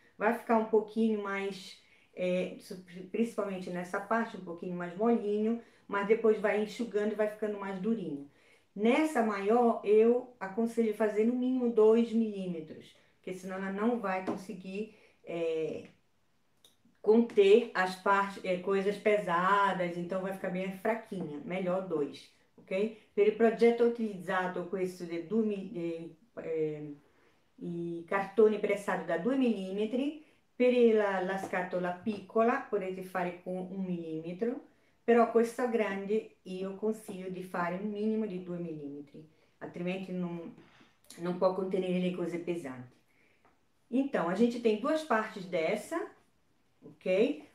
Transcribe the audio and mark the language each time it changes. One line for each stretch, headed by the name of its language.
Portuguese: Vai ficar um pouquinho mais. Principalmente nessa parte, um pouquinho mais molinho, mas depois vai enxugando e vai ficando mais durinho. Nessa maior, eu aconselho fazer no mínimo 2 milímetros, porque senão ela não vai conseguir conter as partes, coisas pesadas, então vai ficar bem fraquinha, melhor 2, ok?
Italian: Per il progetto utilizzato questo de e cartone pressato da 2 milímetri. Per la scatola piccola potete fare con 1 mm, però questa grande io consiglio di fare un minimo di 2 mm, altrimenti non può contenere le cose pesanti.
Portuguese: Então, a gente tem duas parti dessa, ok?